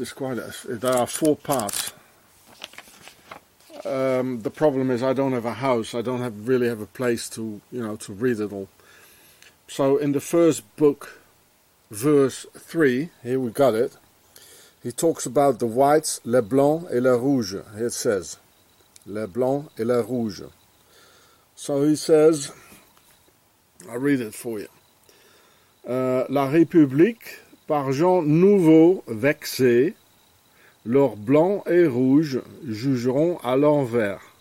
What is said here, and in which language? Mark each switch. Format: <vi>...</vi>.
<en>It's quite there are four parts. The problem is I don't have a house. I don't really have a place to, you know, to read it all. So in the first book, verse 3, here we got it. He talks about the whites,</en> <fr>les blancs et les rouges.</fr> <en>It says,</en> <fr>les blancs et les rouges.</fr> <en>So he says, I'll read it for you.</en> <fr>La République, par gens nouveaux vexés, leur blanc et rouge jugeront à l'envers.</fr>